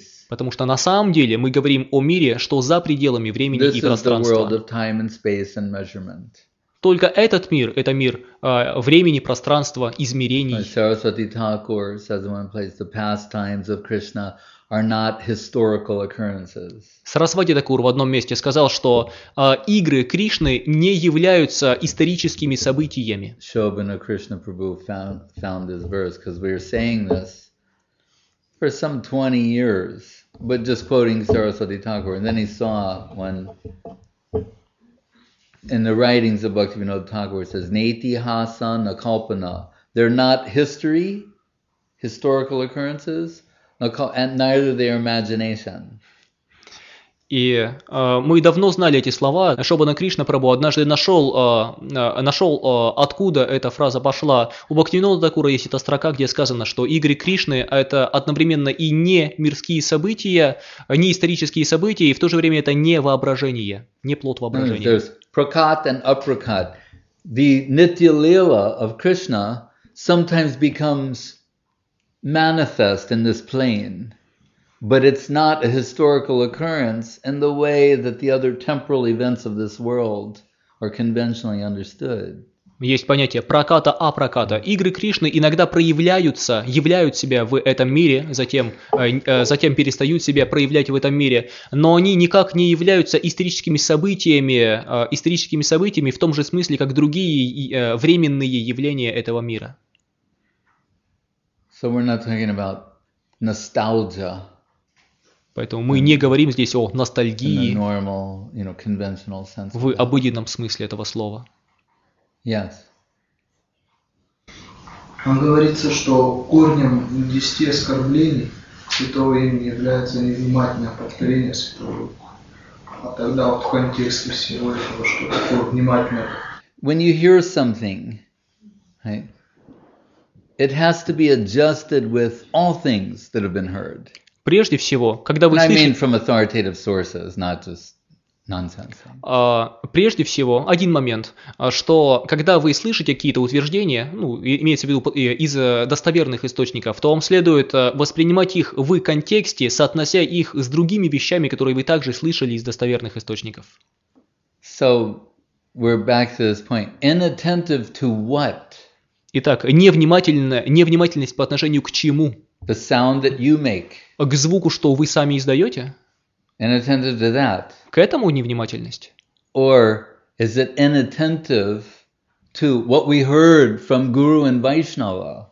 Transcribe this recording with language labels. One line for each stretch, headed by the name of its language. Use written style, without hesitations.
Russian: Потому что на самом деле мы говорим о мире, что за пределами времени и пространства.
English: Time and space and measurement.
Russian: Только этот мир – это мир времени, пространства, измерений.
English: Saraswati Thakur says in one place, the pastimes of Krishna are not historical occurrences.
Russian: Сарасвати Такур в одном месте сказал, что игры Кришны не являются историческими событиями.
English: Shobhana Krishna Prabhu found this verse because we are saying this for some 20 years, but just quoting Saraswati Thakur, and then he saw when. In the writings of Bhaktivinoda Thakur, it says, Netihasa Nakalpana. They're not history, historical occurrences, and neither they are imagination.
Russian: И мы давно знали эти слова. Шобана Кришна Прабху однажды нашел, откуда эта фраза пошла. У Бхактивинода Такура есть эта строка, где сказано, что игры Кришны – это одновременно и не мирские события, не исторические события, и в то же время это не воображение, не плод воображения.
English: There's prakat and aprakat. The nitya-lila of Krishna sometimes becomes manifest in this plane. But it's not a historical occurrence in the way that the other temporal events of this world are conventionally understood.
Russian: Есть понятие проката, апроката. Игры Кришны иногда проявляются, являют себя в этом мире, затем перестают себя проявлять в этом мире, но они никак не являются историческими событиями в том же смысле, как другие временные явления этого мира.
English: So we're not talking about nostalgia.
Russian: Поэтому мы не говорим здесь о ностальгии
English: normal, you know, sense
Russian: в обыденном смысле этого слова.
English: Yes.
Russian: Говорится, что корнем 10 оскорблений святого имени является невнимательное повторение святого рука. А тогда вот в контексте всего этого, что такое внимательное.
English: When you hear something, right, it has to be adjusted with all things that have been heard.
Russian: Прежде всего, когда вы слышите...
English: I mean from authoritative sources, not just nonsense.
Russian: Прежде всего, один момент, что когда вы слышите какие-то утверждения, ну, имеется в виду из достоверных источников, то вам следует воспринимать их в контексте, соотнося их с другими вещами, которые вы также слышали из достоверных источников.
English: So, we're back to this point. Inattentive to what?
Russian: Итак, невнимательность по отношению к чему?
English: The sound that you make.
Russian: К звуку, что вы сами издаете?
English: Inattentive to that.
Russian: К этому невнимательность?
English: Or is it inattentive to what we heard from Guru and Vaishnava?